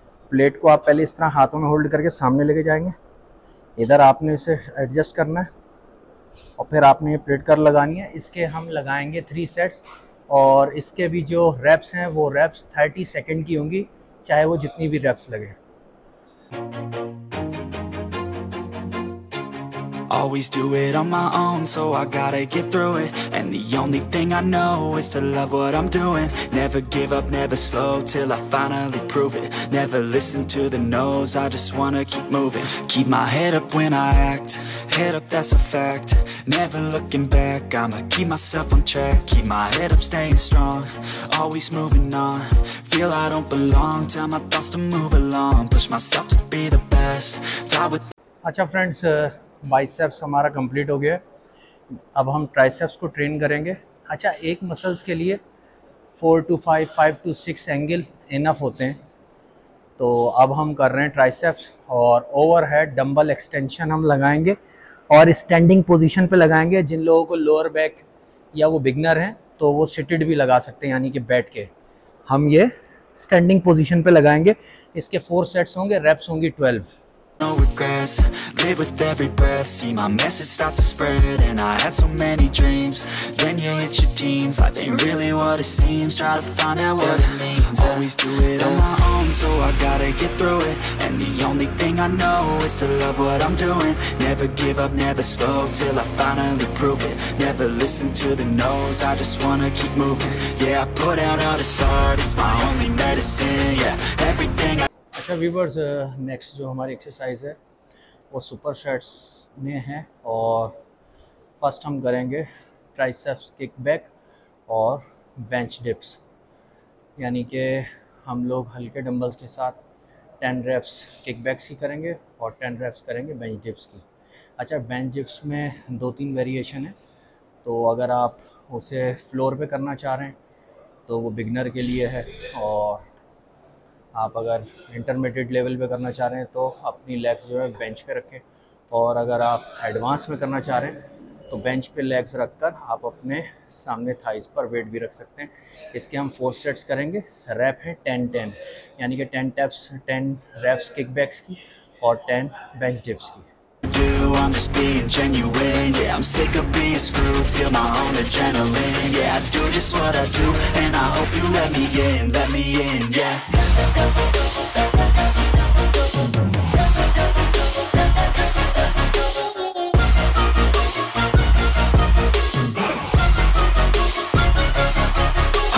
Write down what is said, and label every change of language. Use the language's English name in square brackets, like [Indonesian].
[Hindi] Plate को आप पहले इस तरह हाथों में होल्ड करके सामने लेके जाएंगे. इधर आपने इसे एडजस्ट करना है और फिर आपने ये प्लेट कर लगानी है. इसके हम लगाएंगे 3 sets और इसके भी जो रैप्स हैं वो रैप्स 30 seconds की होंगी, चाहे वो जितनी भी रैप्स लगे. [English] Always do it on my own, so I gotta get through it. And the only thing I know is to love what I'm doing. Never give up, never slow, till I finally prove it. Never listen to the no's, I just wanna keep moving. Keep my head up when I act, head up, that's a fact. Never looking back, I'ma keep myself on track. Keep my head up, staying strong, always moving on. Feel I don't belong, tell my thoughts to move along. Push myself to be the best, die with... [Hindi] Achha, friends, biceps हमारा complete हो गया. अब हम triceps को train करेंगे. अच्छा, एक muscles के लिए 4 to 5, 5 to 6 एंगल इनफ होते हैं. तो अब हम कर रहे हैं ट्राइसेप्स और ओवरहेड डंबल एक्सटेंशन हम लगाएंगे और स्टैंडिंग पोजीशन पे लगाएंगे. जिन लोगों को लोअर बैक या वो बिगनर हैं तो वो सिटेड भी लगा सकते हैं, यानी कि बैठ के. हम ये स्टैंडिंग पोजिशन पर लगाएंगे. इसके 4 sets होंगे, रैप्स होंगी 12. [English] No regrets, live with every breath. See my message start to spread, and I had so many dreams. Then you hit your teens, life ain't really what it seems. Try to find out what it means. Always do it on my own, so I gotta get through it. And the only thing I know is to love what I'm doing. Never give up, never slow, till I finally prove it. Never listen to the no's, I just wanna keep moving. Yeah, I put out all this art, it's my only medicine. Yeah, everything I... [Hindi] अच्छा viewers, next जो हमारी exercise है वो super sets में है और first हम करेंगे ट्राइसेप्स किक बैक और बेंच डिप्स. यानी कि हम लोग हल्के डंबल्स के साथ 10 रेप्स किक बैक्स की करेंगे और 10 रेप्स करेंगे बेंच डिप्स की. अच्छा, बेंच डिप्स में 2-3 वेरिएशन है. तो अगर आप उसे फ्लोर पे करना चाह रहे हैं तो वो बिगनर के लिए है, और आप अगर इंटरमीडिएट लेवल पे करना चाह रहे हैं तो अपनी लेग्स जो है बेंच पे रखें, और अगर आप एडवांस में करना चाह रहे हैं तो बेंच पे लेग्स रखकर आप अपने सामने थाइस पर वेट भी रख सकते हैं. इसके हम 4 sets करेंगे. रैप है 10-10, यानी कि 10 reps किक बैक्स की और 10 बेंच डिप्स की. [English] I'm just being genuine, yeah, I'm sick of being screwed. Feel my own adrenaline, yeah, I do just what I do. And I hope you let me in, yeah.